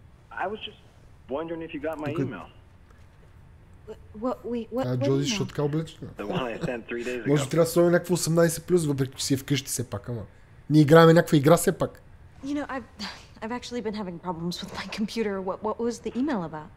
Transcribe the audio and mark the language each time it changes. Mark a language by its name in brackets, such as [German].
[English] I was just wondering if you got my email. What email? The one I sent 3 days ago. [Bulgarian] Може би трябва да сложим някакво 18+, въпреки че си вкъщи все пак, ама. Ние играем някаква игра все пак. [English] You know, I've actually been having problems with my computer. What was the email about?